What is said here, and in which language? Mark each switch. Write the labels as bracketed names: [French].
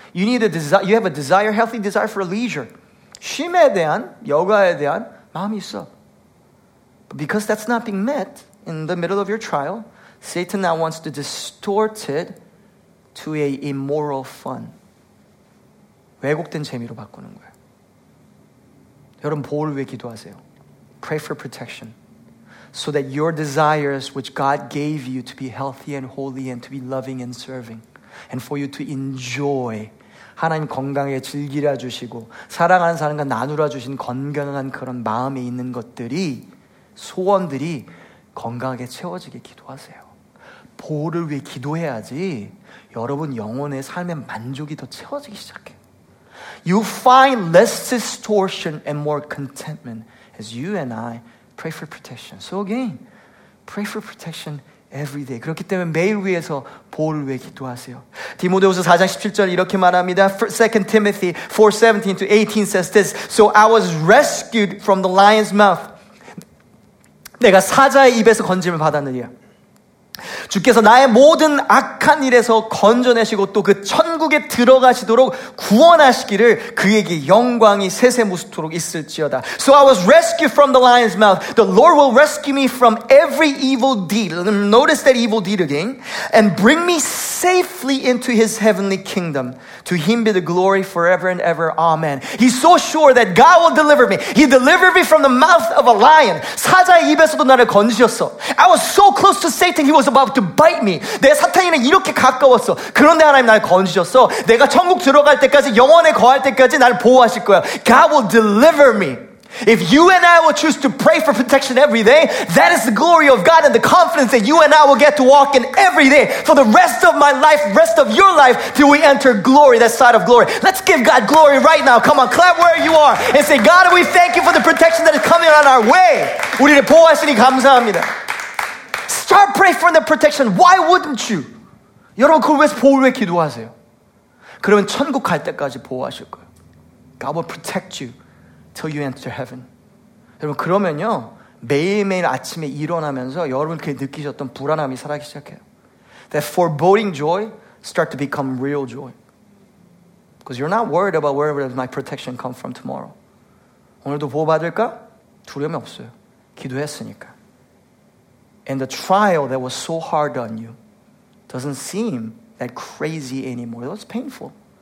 [English] You need a desire, you have a desire, healthy desire for leisure. [Korean] 쉼에 대한, 여가에 대한 마음이 있어. [English] But because that's not being met in the middle of your trial, Satan now wants to distort it to a immoral fun. [Korean] 왜곡된 재미로 바꾸는 거예요. 여러분 보호를 위해 기도하세요. [English] Pray for protection so that your desires which God gave you to be healthy and holy and to be loving and serving and for you to enjoy [Korean] 하나님 건강하게 즐기라 주시고 사랑하는 사람과 나누라 주신 건강한 그런 마음에 있는 것들이 소원들이 건강하게 채워지게 기도하세요. 보호를 위해 기도해야지 여러분 영혼의 삶의 만족이 더 채워지기 시작해. [English] You find less distortion and more contentment as you and I pray for protection. So again, pray for protection every day. [Korean] 그렇기 때문에 매일 위해서 보호를 위해 기도하세요. 디모데후서 4장 17절 이렇게 말합니다. [English] 2 Timothy 4:17 to 18 says this. So I was rescued from the lion's mouth. [Korean] 내가 사자의 입에서 건짐을 받았느니라. 주께서 나의 모든 악한 일에서 건져내시고 또 그 천국에 들어가시도록 구원하시기를 그에게 영광이 세세무수토록 있을지어다. [English] So I was rescued from the lion's mouth. The Lord will rescue me from every evil deed. Notice that evil deed again. And bring me safely into his heavenly kingdom. To him be the glory forever and ever. Amen. He's so sure that God will deliver me. He delivered me from the mouth of a lion. [Korean] 사자의 입에서도 나를 건지셨어. [English] I was so close to Satan. He was about to bite me. [Korean] 내 사탄이랑 이렇게 가까웠어. 그런데 하나님 나를 건지셨어. 내가 천국 들어갈 때까지 영원에 거할 때까지 나를 보호하실 거야. [English] God will deliver me. If you and I will choose to pray for protection every day, that is the glory of God and the confidence that you and I will get to walk in every day for the rest of my life, rest of your life, till we enter glory, that side of glory. Let's give God glory right now. Come on, clap where you are and say, God, we thank you for the protection that is coming on our way. [Korean] 우리를 보호하시니 감사합니다. [English] Start praying for the protection. Why wouldn't you? [Korean] 여러분, 그걸 위해서 보호를 위해 기도하세요. 그러면 천국 갈 때까지 보호하실 거예요. [English] God will protect you. Till you enter heaven. [Korean] 여러분 그러면요 매일매일 아침에 일어나면서 여러분께 느끼셨던 불안함이 사라지기 시작해요. [English] That foreboding joy start to become real joy. Because you're not worried about where will my protection come from tomorrow. [Korean] 오늘도 보호받을까? 두려움이 없어요. 기도했으니까. [English] And the trial that was so hard on you doesn't seem that crazy anymore. It was painful.